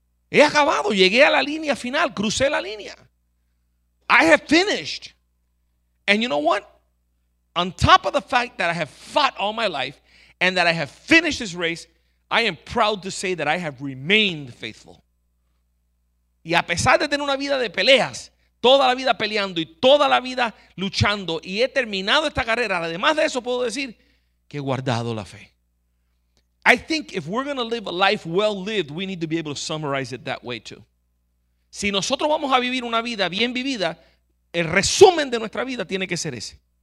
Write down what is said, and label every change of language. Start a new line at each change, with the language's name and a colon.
Spanish: He acabado. Llegué a la línea final. Crucé la línea.
English: I have finished. And you know what? On top of the fact that I have fought all my life and that I have finished this race, I am proud to say that I have remained faithful.
Spanish: Y a pesar de tener una vida de peleas, toda la vida peleando y toda la vida luchando, y he terminado esta carrera, además de eso puedo decir que he guardado la fe.
English: I think if we're going to live a life well lived, we need to be able to summarize it that way too.
Spanish: Si nosotros vamos a vivir una vida bien vivida, el resumen de nuestra vida tiene que ser ese.